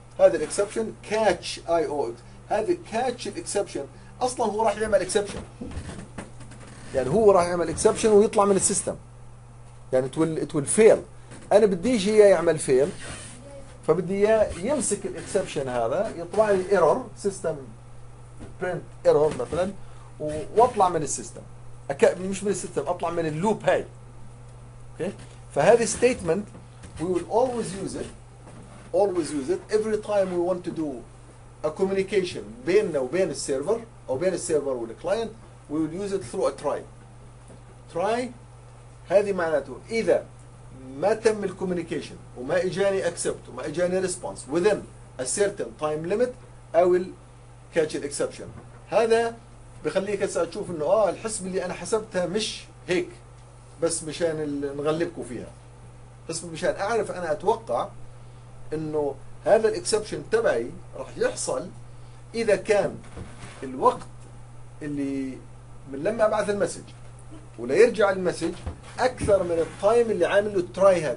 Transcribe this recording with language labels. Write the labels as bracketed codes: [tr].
[ar] هذا الاكسبشن كاتش اي او، هذا كاتش الاكسبشن اصلا هو راح يعمل اكسبشن، يعني هو راح يعمل اكسبشن ويطلع من السيستم، يعني تول فيل. انا بديش هي يعمل فيل، فبدي اياه يمسك الاكسبشن هذا يطلع لي ايرور سيستم برنت ايرور مثلا، واطلع من السيستم، مش من السيستم، اطلع من اللوب هاي. اوكي، فهذه ستيتمنت [en] we will always use it, always use it every time we want to do a communication [ar] بيننا وبين السيرفر او بين السيرفر والكلاينت. [en] we will use it through a try. try [ar] هذه معناته اذا ما تم الكوميونيكيشن وما اجاني [en] accept وما اجاني response within a certain time limit I will catch an exception. [ar] هذا بخليك تشوف انه الحسب اللي انا حسبتها مش هيك بس مشان نغلبكم فيها، بس مشان اعرف انا اتوقع انه هذا الاكسبشن تبعي راح يحصل اذا كان الوقت اللي من لما ابعث المسج ولا يرجع المسج اكثر من التايم اللي عامله التراي.